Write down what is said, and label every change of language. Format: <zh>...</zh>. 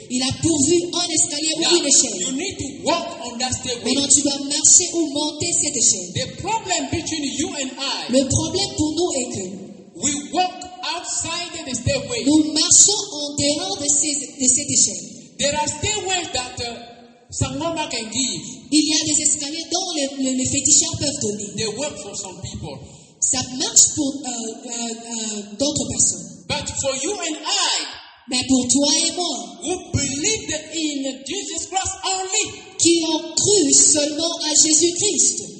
<fr>Il a pourvu un escalier ou une échelle.</fr> <en>You need to walk on that stairway.</en> <fr>Maintenant, tu dois marcher ou monter cette échelle.</fr> <en>The problem between you and I,</en> <fr>le problème pour nous est que</fr> <en>we walk outside the stairway.</en> <fr>Nous marchons en dehors de, ces, de cette échelle.</fr> <en>There are stairways that some woman can give.</en> <fr>Il y a des escaliers dont les féticheurs peuvent donner.</fr> <en>They work for some people.</en> <fr>Ça marche pour d'autres personnes.</fr> <en>But for you and I,</en> <fr>mais pour toi et moi,</fr> <en>who believe in Jesus Christ only,</en> <fr>qui ont cru seulement à Jésus-Christ,</fr>